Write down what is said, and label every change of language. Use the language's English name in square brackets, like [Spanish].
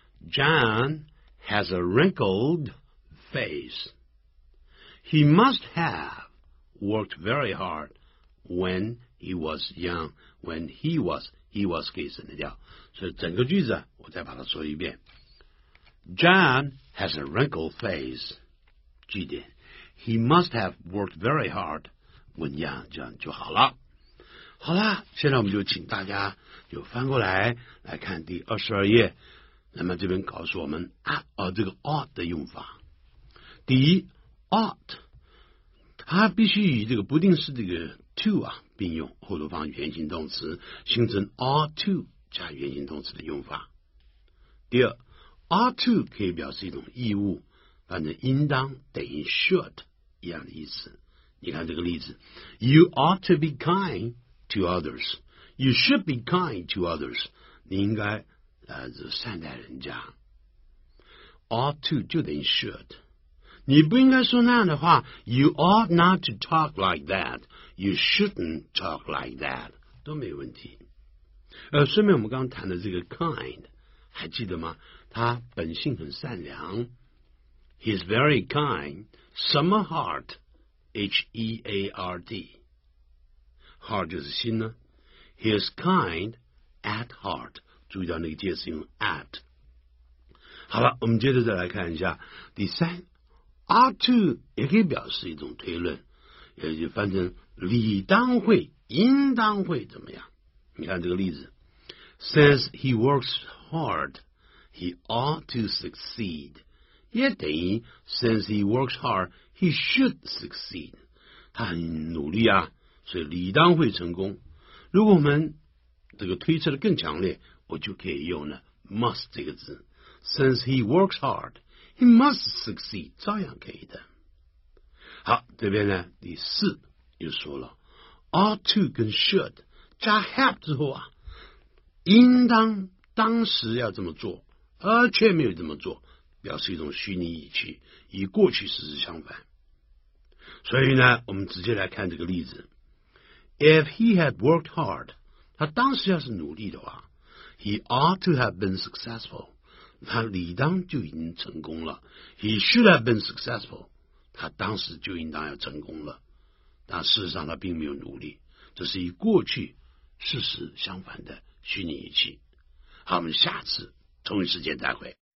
[English] John has a wrinkled face. He must have worked very hard when he was young. When he was [Chinese] 可以省得掉。所以整个句子我再把它说一遍。 [English] John has a wrinkled face. [Chinese] 句点。 [English] He must have worked very hard when young. [Chinese] 这样就好了。好啦，现在我们就请大家就翻过来来看第22页。那么这边告诉我们 at 这个 ought 的用法。第一 ought 它必须与这个不定式这个 to 啊并用，后头放原形动词形成 ought to 加原形动词的用法。第二 ought to 可以表示一种义务，反正应当等于 should 一样的意思。你看这个例子 [English] You ought to be kind to others. You should be kind to others. [Chinese] 你应该善待人家。 ought to 就等于 should， 你不应该说那样的话。 [English] You ought not to talk like that. You shouldn't talk like that [Chinese] 都没问题。顺便我们刚谈的这个 kind 还记得吗？他本性很善良。 [English] He's very kind. Summer heart H-E-A-R-T heart [Chinese] 就是心呢。 [English] He's kind at heart， [Chinese] 注意到那个介词用 at。好了，我们接着再来看一下第三 ought to 也可以表示一种推论，也就翻成理当会应当会怎么样。你看这个例子 [English] Since he works hard he ought to succeed， [Chinese] 也等于 [English] Since he works hard he should succeed， [Chinese] 他很努力啊，所以理当会成功。如果我们这个推测的更强烈，我就可以用了 must 这个字。 [English] Since he works hard he must succeed [Chinese] 照样可以的。好，这边呢第四又说了 ought to 跟 should 加 have 之后啊，应当当时要这么做而却没有这么做，表示一种虚拟语气，与过去事实相反。所以呢我们直接来看这个例子。 [English] If he had worked hard， [Chinese] 他当时要是努力的话， [English] He ought to have been successful. [Chinese] 他理当就已经成功了。 [English] He should have been successful. [Chinese] 他当时就应当要成功了。但事实上他并没有努力。这是与过去事实相反的虚拟语气。好，我们下次同一时间再会。